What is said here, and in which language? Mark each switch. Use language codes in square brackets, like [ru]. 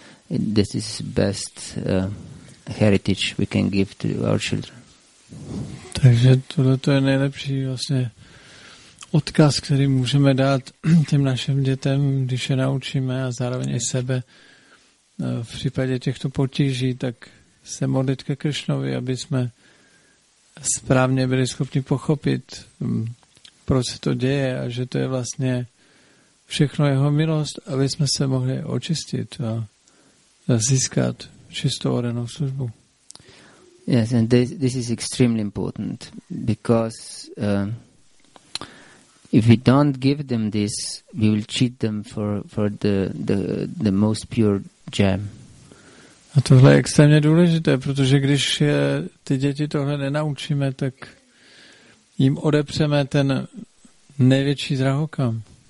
[en] This is best heritage we can give to our children. [cs] Takže tohle to je nejlepší vlastně odkaz, který můžeme dát těm našim dětem, když je naučíme, a zároveň i sebe v případě těchto potíží, tak se modlit ke Krišnovi, aby jsme správně byli schopni pochopit, proč se to děje, a že to je vlastně všechno jeho milost, aby jsme se mohli očistit a získat čistou odanou službu. [en] Yes, and this is extremely important, because if we don't give them this, we will cheat them for the most pure gem. [cs] A tohle je extrémně důležité, protože když ty děti tohle nenaučíme, tak jim odepřeme ten největší drahokam.